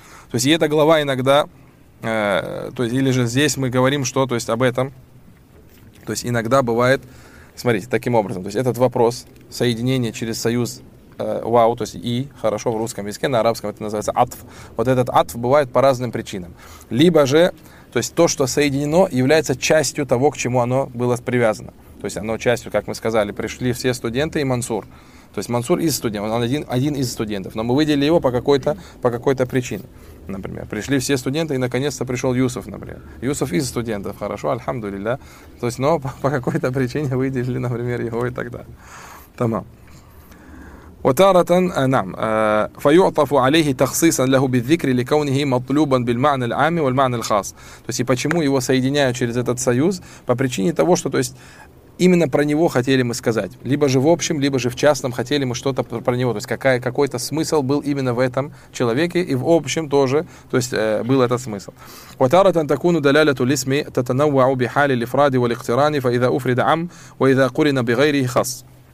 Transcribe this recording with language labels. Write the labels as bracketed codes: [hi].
[ru] То есть и эта глава иногда, то есть, или же здесь мы говорим, что то есть, об этом, то есть иногда бывает, смотрите, таким образом, то есть этот вопрос соединения через союз вау, то есть и, хорошо, в русском языке, на арабском это называется атф, вот этот атф бывает по разным причинам, либо же, то есть то, что соединено, является частью того, к чему оно было привязано, то есть оно частью, как мы сказали, пришли все студенты и Мансур. То есть Мансур из студентов, он один из студентов, но мы выделили его по какой-то причине. Например, пришли все студенты, и наконец-то пришел Юсуф, например. Юсуф из студентов, хорошо, альхамдулилля. То есть, но по какой-то причине выделили, например, его и так далее. Тамам. [ar] وتارةً نعم فيعطف عليه تخصيصاً له بالذكر لكونه مطلوباً بالمعنى العام والمعنى الخاص. [ru] То есть и почему его соединяют через этот союз? По причине того, что, то есть, именно про него хотели мы сказать. Либо же в общем, либо же в частном хотели мы что-то про него. То есть какой-то смысл был именно в этом человеке. И в общем тоже, то есть, был этот смысл. [ar] وَتَارَةً تَكُونُ دَلَالَةُ الْإِسْمِ تَتَنَوَّعُ بِحَالِ الْإِفْرَادِ وَالْإِقْتِرَانِ فَإِذَا أُفْرِدَ عَمْ وَإِذَا قُرِنَ بِغَيْرِهِ خَصْ.